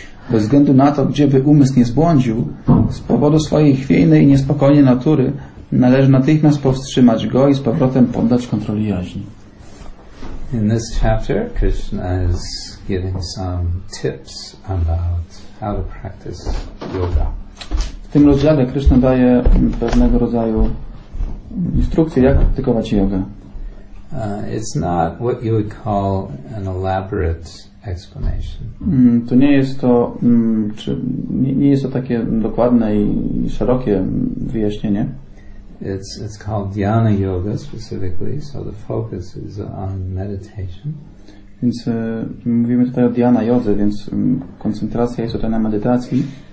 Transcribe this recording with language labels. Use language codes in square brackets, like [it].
[pl] Bez względu na to, gdzie by umysł nie zbłądził, z powodu swojej chwiejnej i niespokojnej natury należy natychmiast powstrzymać go i z powrotem poddać kontroli jaźni. [en] In this chapter, Krishna is giving some tips about how to practice yoga. [pl] W tym rozdziale Krishna daje pewnego rodzaju instrukcje, jak praktykować jogę. [en] It's not what you would call an elaborate explanation. [pl] To nie jest to, czy nie jest to takie dokładne i szerokie wyjaśnienie. [en] It's called Dhyana Yoga specifically, so the focus is on meditation. [pl] Więc mówimy tutaj o Dhyana Yodze, więc koncentracja jest tutaj na medytacji.